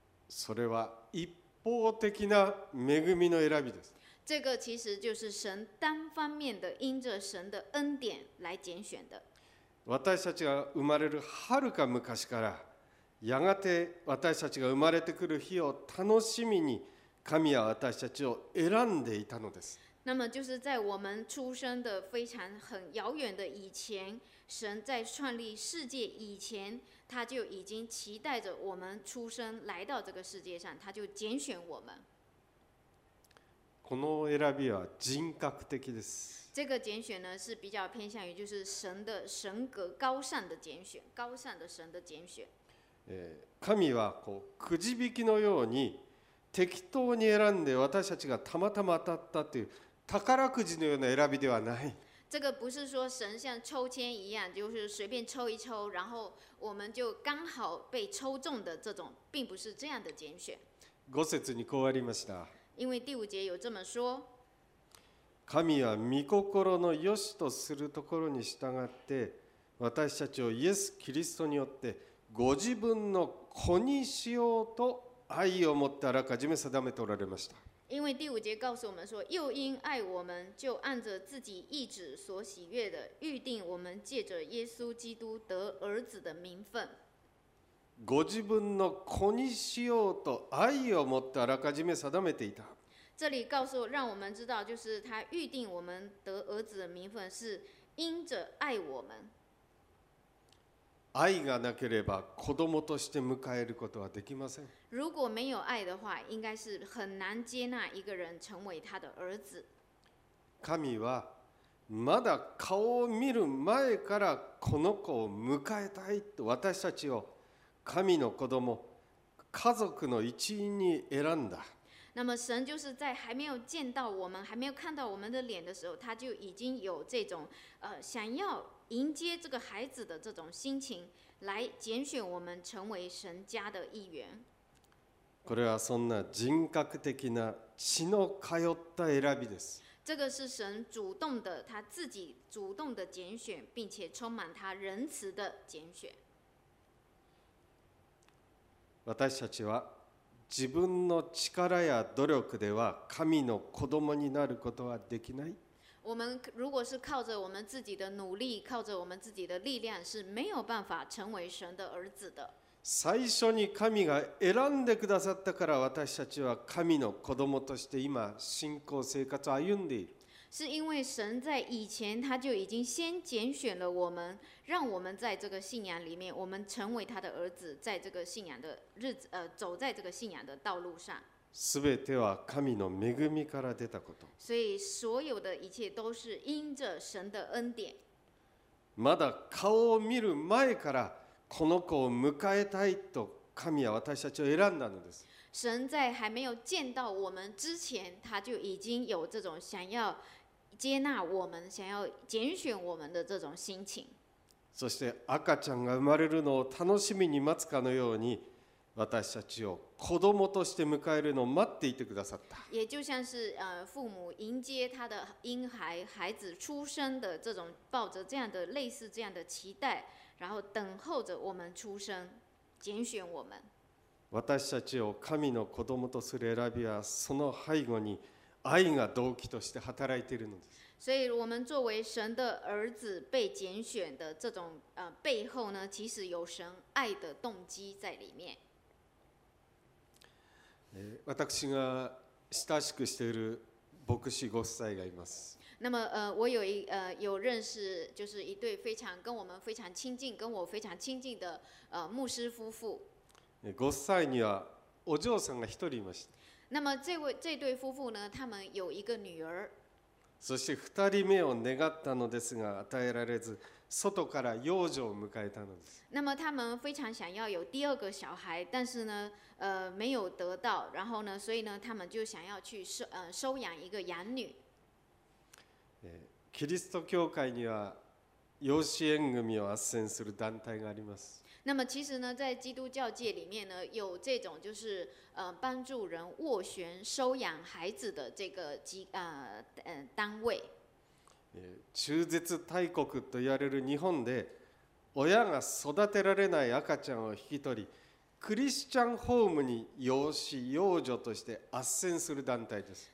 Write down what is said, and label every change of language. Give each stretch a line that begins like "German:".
Japanese: それは一方的な恵みの選びです。
Chinese: 这个其实就是神单方面的因着神的恩典来拣选的。
Japanese: 私たちが生まれるはるか昔から、やがて私たちが生まれてくる日を楽しみに、神は私たちを選んでいたのです。
Chinese: 那么就是在我们出生的非常很遥远的以前，神在创立世界以前，他就已经期待着我们出生来到这个世界上，他就拣选我们。
Japanese: この選びは人格的です。
Chinese: 这个拣选呢是比较偏向于就是神的神格高尚的拣选，高尚的神的拣选。
Japanese: 神はこうくじ引きのように適当に選んで私たちがたまたま当たったという宝くじのような選びではない。
Chinese: 这个不是说神像抽签一样，就是随便抽一抽，然后我们就刚好被抽中的这种，并不是这样的拣选。
Japanese: 五節にこうありました。
Chinese: 因为第五节有这么说。
Japanese: 神は御心の良しとするところに従って私たちをイエス・キリストによってご自分の子にしようと愛を持ってあらかじめ定めておられました。
Chinese: 因为第五节告诉我们说，又因爱我们，就按着自己意志所喜悦的，预定我们借着耶稣基督得儿子的名分。
Japanese: ご自分の子にしようと愛を持ってあらかじめ定めていた。
Chinese: 这里告诉让我们知道，就是他预定我们得儿子的名分，是因着爱我们。
Japanese: 爱がなければ子供として迎えることはできません。
Chinese: 如果没有爱的话，应该是很难接纳一个人成为他的儿子。
Japanese: 神はまだ顔を見る前からこの子を迎えたいと私たちを神の子供、家族の一員に選んだ。
Chinese: 那么神就是在还没有见到我们，还没有看到我们的脸的时候，他就已经有这种想要迎接这个孩子的这种心情，来拣选我们成为神家的一员。
Japanese: これはそんな人格的な血の通った選びです。
Chinese: 这个是神主动的，他自己主动的拣选，并且充满他仁慈的拣选。
Japanese: 私たちは自分の力や努力では神の子供になることはできない。
Chinese: 我们如果是靠着我们自己的努力，靠着我们自己的力量，是没有办法成为神的儿子的。
Japanese: 最初に神が選んでくださったから、私たちは神の子供として今信仰生活を歩んでいる。
Chinese: 是因为神在以前他就已经先拣选了我们，让我们在这个信仰里面，我们成为他的儿子，在这个信仰的日子，走在这个信仰的道路上。
Japanese: 全ては神の恵みから出たこと。
Chinese: 所以所有的一切都是因着神的恩典。
Japanese: まだ顔を見る前からこの子を迎えたいと神は私たちを選んだのです。
Chinese: 神在还没有见到我们之前，他就已经有这种想要接纳我们、想要拣选我们的这种心情。
Japanese: そして赤ちゃんが生まれるのを楽しみに待つかのように。私たちを子供として迎えるのを待っていてくださった。
Chinese: 也就像是父母迎接他的婴孩、孩子出生的这种抱着这样的类似这样的期待，然后等候着我们出生，拣选我们。
Japanese: 私たちを神の子供とする選びはその背後に愛が動機として働いているのです。
Chinese: 所以我们作为神的儿子被拣选的这种背后呢，其实有神爱的动机在里面。
Japanese: 私が親しくしている牧師ご夫妻がいます。
Chinese: 那么我有一有认识，就是一对非常跟我们非常亲近、跟我非常亲近的牧师夫妇。
Japanese: ご夫妻にはお嬢さんが一人います。
Chinese: 那么这对夫妇呢，他们有一个女儿。
Japanese: そして二人目を願ったのですが与えられず、外から養女を迎えたのです。
Chinese: 那么他们非常想要有第二个小孩，但是呢，没有得到。然后呢，所以呢，他们就想要去收养一个养女。
Japanese: キリスト教会には養子縁組を斡旋する団体があります。
Chinese: 那么其实呢，在基督教界里面呢，有这种就是帮助人斡旋收养孩子的这个单位。
Japanese: 中絶大国と言われる日本で、親が育てられない赤ちゃんを引き取り、クリスチャンホームに養子養女として斡旋する団体です。